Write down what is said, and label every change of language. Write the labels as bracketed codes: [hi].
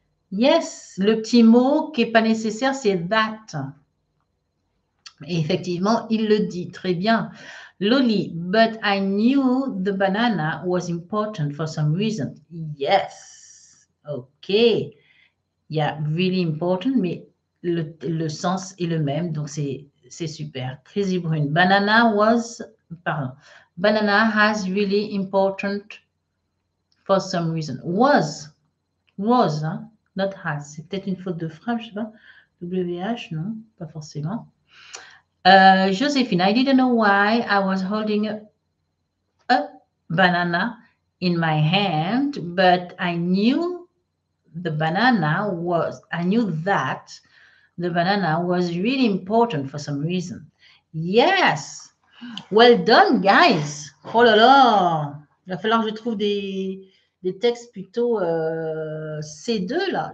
[fr] Yes. Le petit mot qui n'est pas nécessaire, c'est that. Et effectivement, il le dit très bien. [en] Loli, but I knew the banana was important for some reason. Yes. OK. Yeah, really important, mais... [fr] Le sens est le même, donc c'est super. [en] Crazy Brune, banana has really important for some reason. Was, hein? Not has. [fr] C'est peut-être une faute de frappe, je ne sais pas. WH, non, pas forcément. [en] Joséphine, I didn't know why I was holding a banana in my hand, but I knew that. The banana was really important for some reason. Yes. Well done, guys. Oh là là. [fr] Il va falloir que je trouve des textes plutôt C2, là.